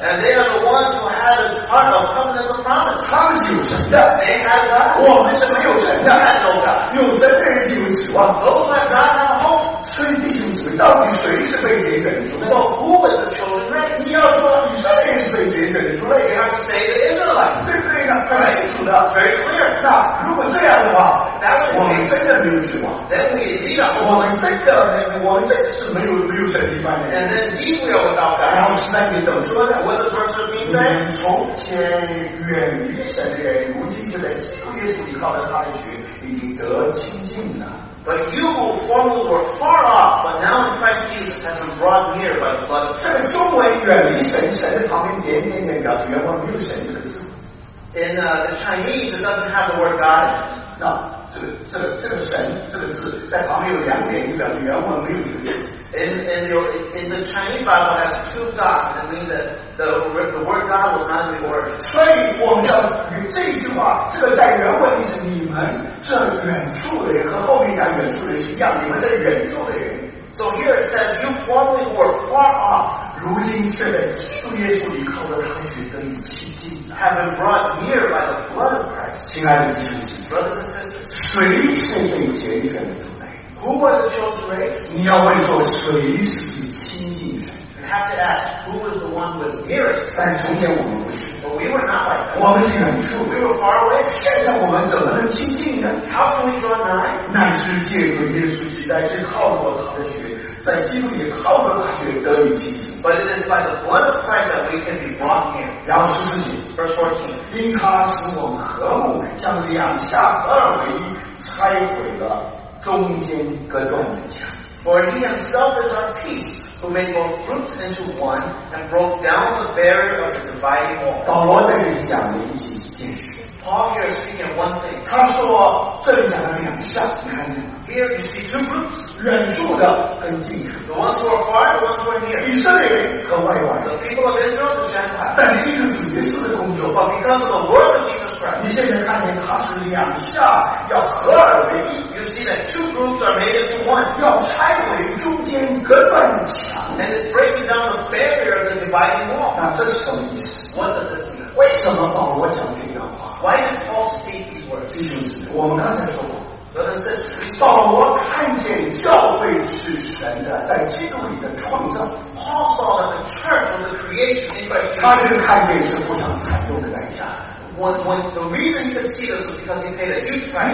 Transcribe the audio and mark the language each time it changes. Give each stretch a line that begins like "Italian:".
English: And they are the ones who had a part of covenants of promise.
Chinese: 他们是有神的。
English: They had God.
Chinese: 我们是没有神的。有神的人就有指望。
English: Those that God have hope.
Chinese: 所以弟兄姊妹，到底谁是被拣选的？
English: So who is the chosen race?
Chinese: 你要说以色列人是被拣选的，除了
English: You have to say the Israelites.
Chinese: 对不对呢？很清楚的。
English: Very clear.
Chinese: 那如果这样的话，我们真的没有指望。
English: Then we indeed are.
Chinese: 我们真的，我们真的是没有神的一般人。
English: And then we will without God.
Chinese: 然后现在你怎么说呢？
English: What does verse 15 say?
Chinese: 你从前远离神的人，如今就在基督耶稣里靠着他的血已经得清净了。
English: But you who formerly were far off, but now in Christ Jesus has been brought near by the blood.
Chinese: 这个中文远离神，神在旁边点点点表示原文没有神这个字。
English: In the Chinese, it doesn't have the word God.
Chinese: No, 这个神这个字在旁边有两点，就表示原文没有这个意思。
English: In the Chinese Bible has two gods, that means that the word God was not in the word.
Chinese: 所以我们要与这句话，这个在原文意思，你们这远处的人和后面讲远处的人是一样，你们这远处的人。
English: So here it says, you formerly were far off,
Chinese: 如今却在基督耶稣里靠着他的血得以洁净。
English: Have been brought near by the blood of Christ.
Chinese: 亲爱的弟兄姊妹
English: ，brothers and sisters,
Chinese: 谁是被拣选的？
English: Who was the chosen race?
Chinese: 你要问说谁是你亲近的？
English: You have to ask who was the one who was nearest.
Chinese: 但从前我们不是。
English: But we were not like that.
Chinese: 我们是远处。
English: We were far away.
Chinese: 现在我们怎么能亲近呢？
English: How can we draw nigh?
Chinese: 乃是借着耶稣基督，乃是靠着他的血，在基督里靠着他的血得以亲近。
English: But it is by the blood of Christ that we can be brought near.
Chinese: 然后十四节
English: ，verse 14，
Chinese: 因他使我们和睦，像两下二为一，拆毁了。中间隔断的墙。
English: For he himself is our peace, who made both groups into one and broke down the barrier of the dividing wall.
Chinese: 保罗在这里讲的一件事。
English: Paul here is speaking of one thing.
Chinese: 他说这里讲的两下，你看见吗？
English: Here you see two groups.
Chinese: 远处的跟近处。
English: The ones who are far, the ones who are near.
Chinese: 以色列人和外邦人。
English: The people of Israel, the Gentiles.
Chinese: 但因着主耶稣的工作。
English: But because of the work of Jesus Christ.
Chinese: 你现在看见他是两下要合二为一。
English: You see that two groups are made into one.
Chinese: 要拆毁中间隔断的墙。
English: And it's breaking down the barrier of the dividing wall.
Chinese: 那这是什么意思？
English: What does this mean?
Chinese: 为什么保罗讲这段话？
English: Why did Paul speak these words?
Chinese: 弟兄姊妹，我们刚才说过。保罗看见教会是神的，在基督里的创造。
English: Paul saw that the church was the creation in Christ.
Chinese: 他就看见是不想惨重的代价。
English: When the reason he could see this was because he paid a huge price.